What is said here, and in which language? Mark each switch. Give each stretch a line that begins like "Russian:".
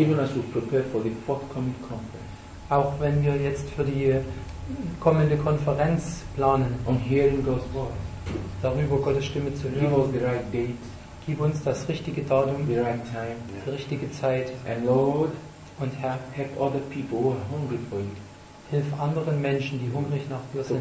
English: Even as we prepare for the forthcoming conference.
German: Auch wenn wir jetzt für die kommende Konferenz planen,
English: on hearing God's word,
German: darüber Gottes Stimme zu hören,
English: give us the right date,
German: gib uns das richtige Datum,
English: the right time,
German: die richtige Zeit,
English: and Lord,
German: und Herr,
English: help other people who are hungry for you,
German: hilf anderen Menschen, die hungrig nach dir sind,